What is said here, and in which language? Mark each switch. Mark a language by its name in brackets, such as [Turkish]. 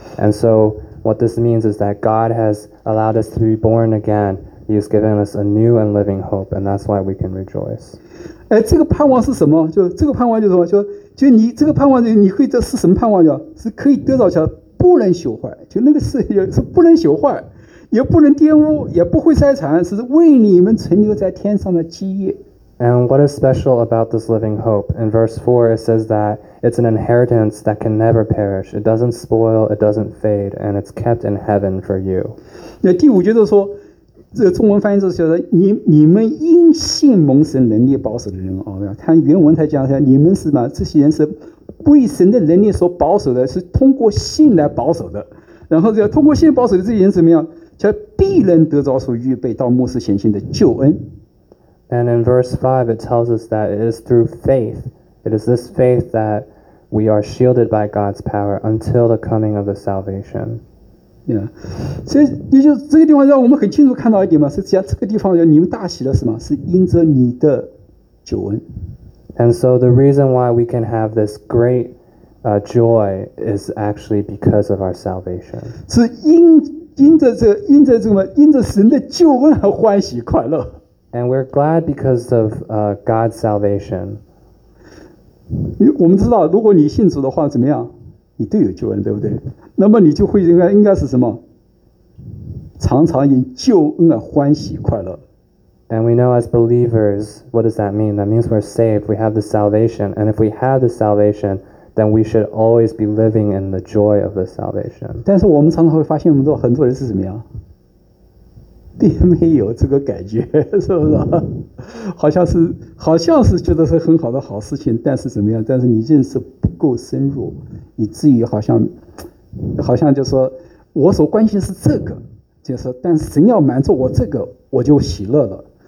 [English] And so what this means is that God has allowed us to be born again. He has given us a new and living hope, and that's why we can rejoice. [Chinese] 哎，这个盼望是什么？就这个盼望就是什么？就你这个盼望，你会得是什么盼望？叫是可以得着起来，不能朽坏。就那个是不能朽坏，也不能玷污，也不会衰残，是为你们存留在天上的基业。 [English] And what is special about this living hope? In verse 4, it says that it's an inheritance that can never perish. It doesn't spoil, it doesn't fade, and it's kept in heaven for you. [Chinese] 那第五节就说，这个中文翻译就是说，你们因信蒙神能力保守的人啊，他原文才讲一下，你们是嘛？这些人是被神的能力所保守的，是通过信来保守的。然后这通过信保守的这些人怎么样？叫必能得着所预备到末世显现的救恩。 [English] And in verse 5, it tells us that it is through faith. It is this faith that we are shielded by God's power until the coming of the salvation. Yeah. [Chinese] 所以就这个地方让我们很清楚看到一点嘛，是讲这个地方你们大喜了是吗？是因着你的救恩。 [English] And so the reason why we can have this great joy is actually because of our salvation. [Chinese] 是因着神的救恩而欢喜快乐。 [English] And we're glad because of God's salvation. [Chinese] 我们知道，如果你信主的话，怎么样？你都有救恩，对不对？那么你就会应该是什么？常常因救恩而欢喜快乐。 [English] And we know as believers, what does that mean? That means we're saved, we have the salvation, and if we have the salvation, then we should always be living in the joy of the salvation. [Chinese] 但是我们常常会发现我们都很多人是怎么样？并没有这个感觉，是不是？好像是觉得是很好的好事情，但是怎么样？但是你认识不够深入，以至于好像就说，我所关心的是这个，就是但是神要满足我这个，我就喜乐了。